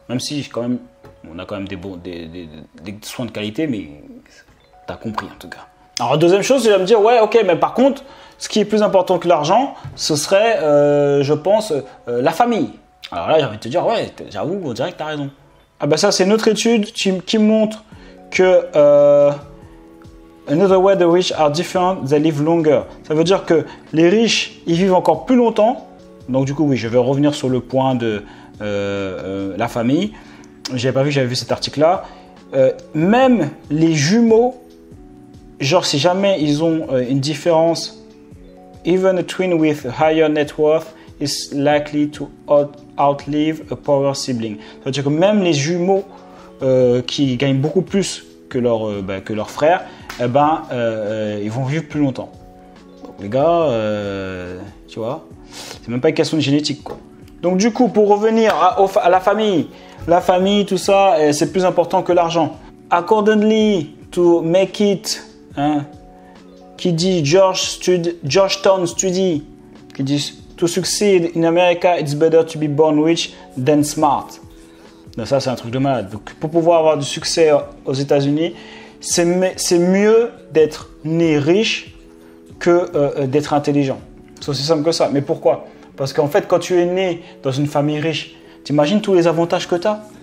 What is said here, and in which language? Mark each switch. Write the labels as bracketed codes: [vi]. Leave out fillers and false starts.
[fr] Même si, quand même, on a quand même des soins de qualité, mais t'as compris, en tout cas. Alors, deuxième chose, tu vas me dire, ouais, ok, mais par contre, ce qui est plus important que l'argent, ce serait, je pense, la famille. Alors là, j'ai envie de te dire, ouais, j'avoue, on dirait que t'as raison. Ah ben ça, c'est une autre étude qui montre que... [en] Another way the rich are different, they live longer. [fr] Ça veut dire que les riches, ils vivent encore plus longtemps. Donc du coup, oui, je vais revenir sur le point de la famille. J'avais pas vu, j'avais vu cet article-là. Même les jumeaux, genre si jamais ils ont une différence, [en] even a twin with higher net worth is likely to outlive a poor sibling. [fr] Ça veut dire que même les jumeaux qui gagnent beaucoup plus que leur, bah, que leur frère, eh ben, ils vont vivre plus longtemps. Donc, les gars, tu vois, c'est même pas une question de génétique, quoi. Donc du coup, pour revenir à la famille, tout ça, c'est plus important que l'argent. [en] Accordingly to make it, [fr] hein, qui dit [en] Georgetown study, [fr] qui dit [en] to succeed in America, it's better to be born rich than smart. [fr] Donc ça, c'est un truc de malade. Donc pour pouvoir avoir du succès aux États-Unis, c'est mieux d'être né riche que d'être intelligent. C'est aussi simple que ça. Mais pourquoi? Parce qu'en fait, quand tu es né dans une famille riche, t'imagines tous les avantages que t'as?